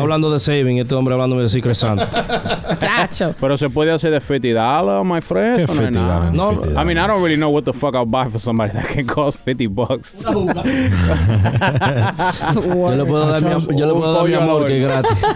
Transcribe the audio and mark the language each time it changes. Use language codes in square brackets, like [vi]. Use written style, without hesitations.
[es] Hablando de saving, este hombre hablando de Secret Santa. Chacho. Pero se puede hacer de $50, [en] my friend. [es] ¿Qué $50? [en] No, $50. I mean, I don't really know what the fuck I'll buy for somebody that can cost $50. [es] Yo le puedo dar mi amor que gratis.